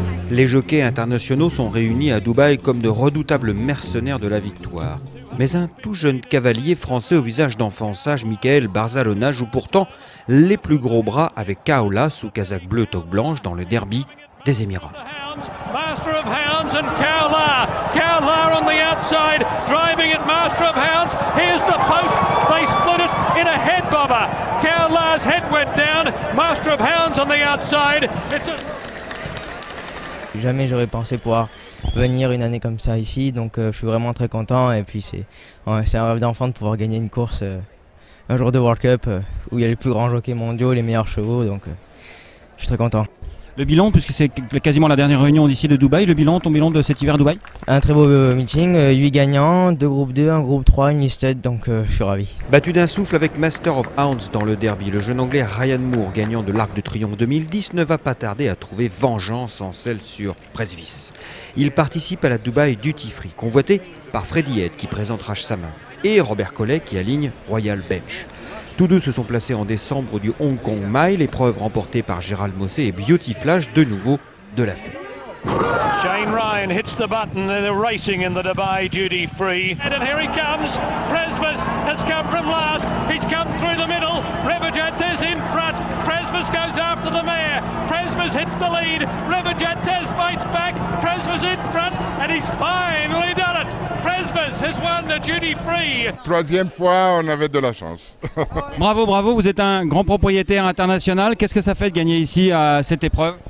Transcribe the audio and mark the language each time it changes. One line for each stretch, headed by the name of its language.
French: Les jockeys internationaux sont réunis à Dubaï comme de redoutables mercenaires de la victoire. Mais un tout jeune cavalier français au visage d'enfant sage, Michael Barzalona, joue pourtant les plus gros bras avec Kaola sous casaque bleu toque blanche dans le derby des Émirats.
English: Master of Hounds and Kaola. Kaola on the outside, driving it, Master of Hounds. Here's the post, they split it in a head bobber. Kaola's head went down, Master of Hounds on the outside.
French: Jamais j'aurais pensé pouvoir venir une année comme ça ici, donc je suis vraiment très content et puis c'est un rêve d'enfant de pouvoir gagner une course un jour de World Cup où il y a les plus grands jockeys mondiaux, les meilleurs chevaux, donc je suis très content. Le bilan, puisque c'est quasiment la dernière réunion d'ici de Dubaï, le bilan, ton bilan de cet hiver Dubaï? Un très beau meeting, 8 gagnants, 2 groupes 2, 1 groupe 3, une listed, donc je suis ravi. Battu d'un souffle avec Master of Hounds dans le derby, le jeune anglais Ryan Moore, gagnant de l'Arc de Triomphe 2010, ne va pas tarder à trouver vengeance en selle sur Presvis. Il participe à la Dubaï Duty Free, convoité par Freddy Head qui présente Rache sa main, et Robert Collet qui aligne Royal Bench. Tous deux se sont placés en décembre du Hong Kong Mile, épreuve remportée par Gérald Mossé et Beauty Flash, de nouveau de la fête.
English: Shane Ryan hits the button, they're racing in the Dubai Duty Free. And here he comes, Presvis has come from last, he's come through the middle, Rebojantes in front, Presvis goes after the mare, Presvis hits the lead, Rebojantes fights back, Presvis in front, and he's finally done it. Presvis has won the Duty Free.
French: Troisième fois, on avait de la chance. Bravo, bravo, vous êtes un grand propriétaire international, qu'est-ce que ça fait de gagner ici à cette épreuve?